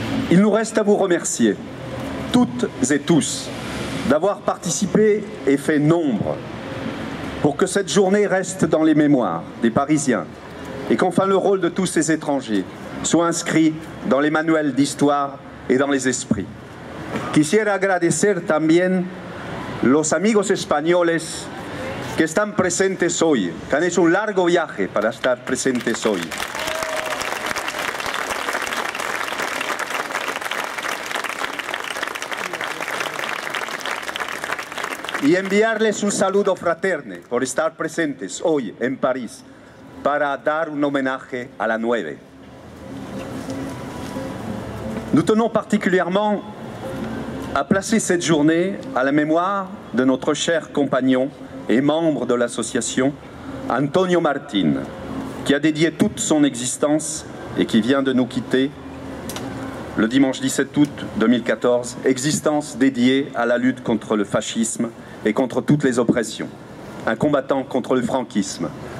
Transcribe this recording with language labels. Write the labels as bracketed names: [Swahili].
[French] Il nous reste à vous remercier, toutes et tous, d'avoir participé et fait nombre pour que cette journée reste dans les mémoires des Parisiens et qu'enfin le rôle de tous ces étrangers soit inscrit dans les manuels d'histoire et dans les esprits. [Spanish] Quisiera agradecer también los amigos españoles que están presentes hoy, que han hecho un largo viaje para estar presentes hoy. Y enviarles un saludo fraterno por estar presentes hoy en París para dar un homenaje a la Nueve. [French] Nous tenons particulièrement à placer cette journée à la mémoire de notre cher compagnon et membre de l'association, Antonio Martín, qui a dédié toute son existence et qui vient de nous quitter le dimanche 17 août 2014, existence dédiée à la lutte contre le fascisme et contre toutes les oppressions, un combattant contre le franquisme.